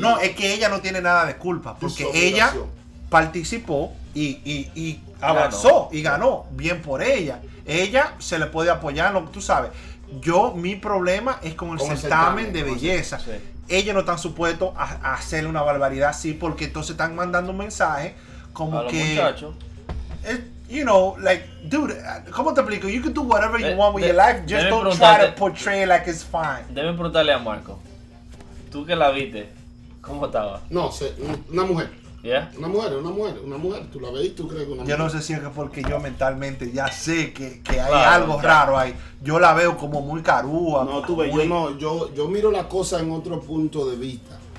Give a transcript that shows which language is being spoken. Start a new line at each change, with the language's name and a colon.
Spanish: no, es que ella no tiene nada de culpa, porque ella participó y avanzó y ganó. Bien por ella. Ella se le puede apoyar, tú sabes. Yo, mi problema es con el certamen de belleza. Ellos no están supuestos a hacerle una barbaridad así, porque entonces están mandando un mensaje como que...
English: You know, like, dude,
Spanish: ¿cómo te explico?
English: You can do whatever you want with your life, just don't try to portray it like it's fine.
Spanish: Debe preguntarle a Marco, tú que la viste, ¿cómo estaba? No sé, una mujer. Yeah. Una mujer, tú la ves y tú crees que una mujer. Yo no sé si es que porque yo mentalmente ya sé que hay algo raro ahí. Yo la veo como muy carúa. No, tú ves, yo miro la cosa en otro punto de vista.